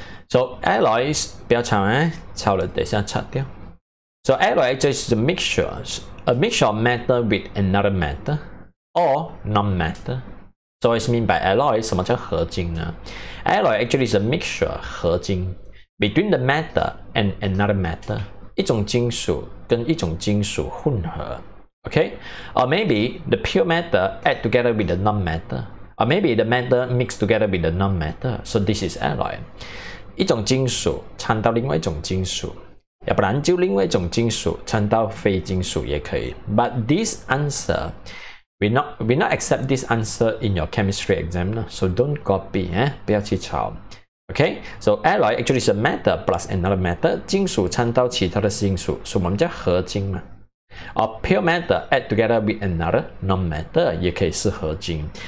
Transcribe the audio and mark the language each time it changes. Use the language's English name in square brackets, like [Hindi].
[Chinese] So alloys, 不要抄, 抄了等一下擦掉. [English] So alloy just is a mixture of matter with another matter or non-matter. So what it means by alloy, 什么叫合金呢? Alloy actually is a mixture, 合金, between the matter and another matter. [Chinese] 一种金属跟一种金属混合. [English] Okay? Or maybe the pure matter add together with the non-matter. Or maybe the matter mixed together with the non-matter. So this is alloy. [Chinese] 一种金属掺到另外一种金属.要不然就另外一种金属掺到非金属也可以. [English] But this answer, we not accept this answer in your chemistry exam, so don't copy, 不要去抄. Okay, so alloy actually is a matter plus another matter, 金属掺到其他的金属, so 我们叫合金. Or pure matter add together with another non-matter, 也可以是合金.